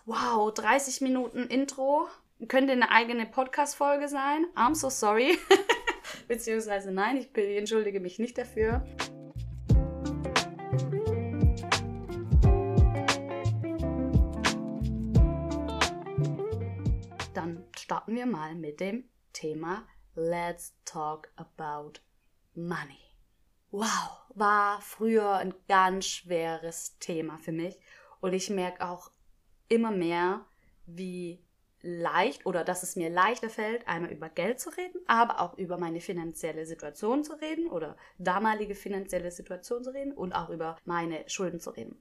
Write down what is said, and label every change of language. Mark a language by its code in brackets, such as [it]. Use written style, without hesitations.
[de] Wow, 30 Minuten Intro. Könnte eine eigene Podcast-Folge sein. [en] I'm so sorry. [de] Beziehungsweise nein, ich entschuldige mich nicht dafür. Dann starten wir mal mit dem Thema Let's Talk About Money. Wow, war früher ein ganz schweres Thema für mich. Und ich merke auch immer mehr, wie leicht oder dass es mir leichter fällt, einmal über Geld zu reden, aber auch über meine finanzielle Situation zu reden oder damalige finanzielle Situation zu reden und auch über meine Schulden zu reden.